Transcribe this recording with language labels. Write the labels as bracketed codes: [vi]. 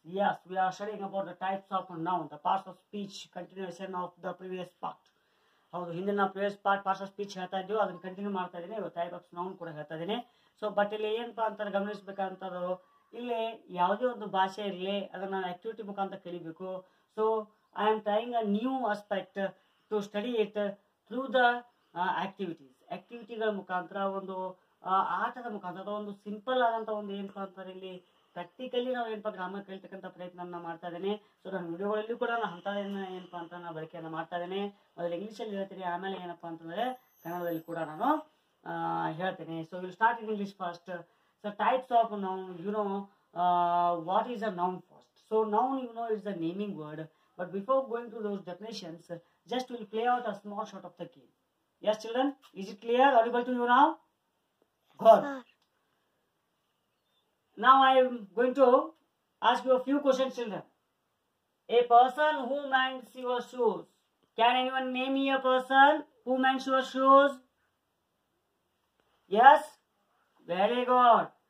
[en] Yes, we are studying about the types of noun, the parts of speech, continuation of the previous part. [kn] ಹೌದು ಹಿಂದಿನ previous part part of speech ಹೇಳ್ತಾ ಇದ್ದೀವಿ, ಅದನ್ನು continue ಮಾಡ್ತಾ ಇದ್ದೀನಿ. ಇವತ್ತು ಟೈಪ್ ಆಫ್ ನೌನ್ ಕೂಡ ಹೇಳ್ತಾ ಇದ್ದೀನಿ. ಸೊ ಬಟ್ ಇಲ್ಲಿ ಏನಪ್ಪಾ ಅಂತ ಗಮನಿಸಬೇಕಂಥದ್ದು, ಇಲ್ಲಿ ಯಾವುದೇ ಒಂದು ಭಾಷೆ ಇರಲಿ ಅದನ್ನು ಆಕ್ಟಿವಿಟಿ ಮುಖಾಂತರ ಕಲಿಬೇಕು. [en] So I am trying a new aspect to study it through the activities. [kn] ಆಕ್ಟಿವಿಟಿಗಳ ಮುಖಾಂತರ, ಒಂದು ಆಟದ ಮುಖಾಂತರ, ಅಥವಾ ಒಂದು ಸಿಂಪಲ್ ಆದಂಥ ಒಂದು ಏನಪ್ಪಾ ಅಂತಂದ್ರೆ ಇಲ್ಲಿ ಪ್ರಾಕ್ಟಿಕಲಿ ನಾವು ಏನಪ್ಪಾ ಗ್ರಾಮರ್ ಕಲಿತಕ್ಕಂಥ ಪ್ರಯತ್ನವನ್ನು ಮಾಡ್ತಾ ಇದ್ದೀನಿ. ಸೊ ನನ್ನ ವಿಡಿಯೋಗಳಲ್ಲಿ ಕೂಡ ನಾನು ಅಂಥದ್ದನ್ನು ಏನಪ್ಪಾ ಅಂತ ನಾನು ಬಳಕೆಯನ್ನು ಮಾಡ್ತಾ ಇದ್ದೀನಿ. ಮೊದಲು ಇಂಗ್ಲೀಷಲ್ಲಿ ಹೇಳ್ತೀನಿ, ಆಮೇಲೆ ಏನಪ್ಪಾ ಅಂತಂದರೆ ಕನ್ನಡದಲ್ಲಿ ಕೂಡ ನಾನು ಹೇಳ್ತೀನಿ. [en] So will start in English first. So types of noun, you know what is a noun first. So noun you know is the naming word, but before going to those definitions just will play out a small short of the game. Yes children, is it clear audible to you now? Good. Now I am going to ask you a few questions, children. A person who mends your shoes. Can anyone name me a person who mends your shoes? Yes? Very good.